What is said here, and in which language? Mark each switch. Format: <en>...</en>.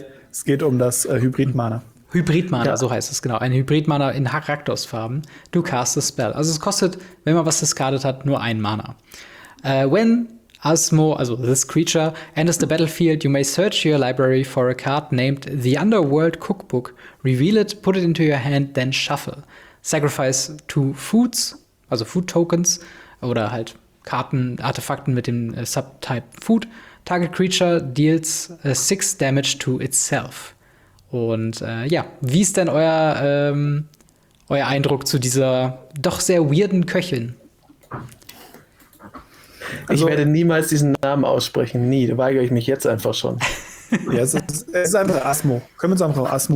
<de>es geht um das Hybrid-Mana. Hybrid-Mana, ja. So heißt es, genau. Ein Hybrid-Mana in Rakdos-Farben. Du</de> <en>cast a spell.</en> <de>Also es kostet, wenn man was discarded hat, nur ein Mana.</de> <en>When Asmo, also this creature, enters the battlefield, you may search your library for a card named the Underworld Cookbook. Reveal it, put it into your hand, then shuffle. Sacrifice two foods, also food tokens,</en> <de>oder halt Karten, Artefakten mit dem Subtype Food.</de> <en>Target creature deals 6 damage to itself.</en> <de>Und ja, wie ist denn euer Eindruck zu dieser doch sehr weirden Köchin? Ich werde niemals diesen Namen aussprechen. Nie, da weigere ich mich jetzt einfach schon. Ja, es ist einfach Asmo. Können wir uns einfach auf Asmo.</de>